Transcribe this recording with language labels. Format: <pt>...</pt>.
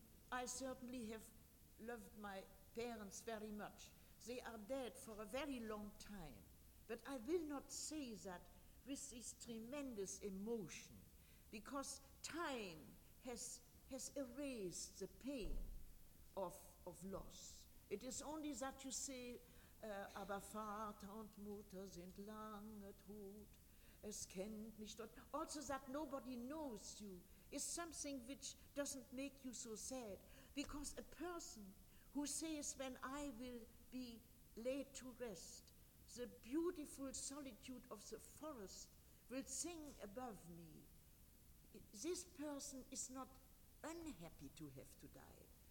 <en>I certainly have loved my parents very much. They are dead for a very long time. But I will not say that with this tremendous emotion, because time has erased the pain of loss. It is only that you say,</en> <de>aber Vater und Mutter sind lange tot, es kennt mich dort.</de> <en>Also that nobody knows you is something which doesn't make you so sad, because a person who says, when I will be laid to rest, the beautiful solitude of the forest will sing above me, this person is not unhappy to have to die.</en>